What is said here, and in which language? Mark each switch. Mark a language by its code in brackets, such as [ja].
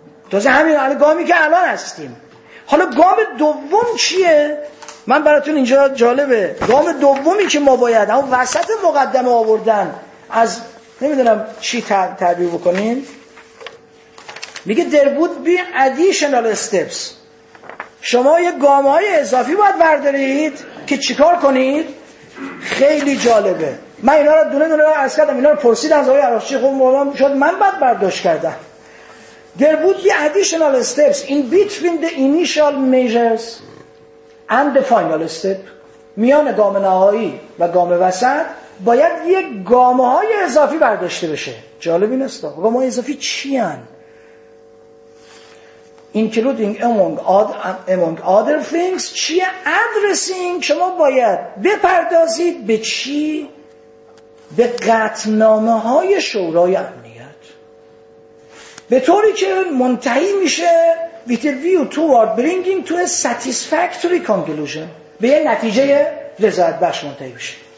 [fa] تازه همین الان گامی که الان هستیم. حالا گام دوم چیه؟ من براتون اینجا جالبه، گام دومی که ما باید اون وسط مقدمه آوردن از نمیدونم چی تعبیر بکنیم، میگه [en] there would be additional steps. [fa] شما یه گام های اضافی باید بردارید که چیکار کنید. خیلی جالبه، من اینا رو دونه دونه رو عرض کردم، اینا رو پرسیدم از آقای عراقچی، خب مولانا شد من بعد برداشت کردم. [en] There would be additional steps in between the initial measures and the final step. [fa] میان گام نهایی و گام وسط باید یک گام های اضافی برداشته بشه. جالب این است، گام های اضافی چی هن؟ [en] Including among other things. [fa] چیه؟ [en] Addressing. [fa] شما باید بپردازید به چی؟ به قطعنامه های شورای امنیت، به طوری که منتهی میشه [en] with a view toward bringing to a satisfactory conclusion، [fa] به یه نتیجه رضایت بخش منتهی بشه.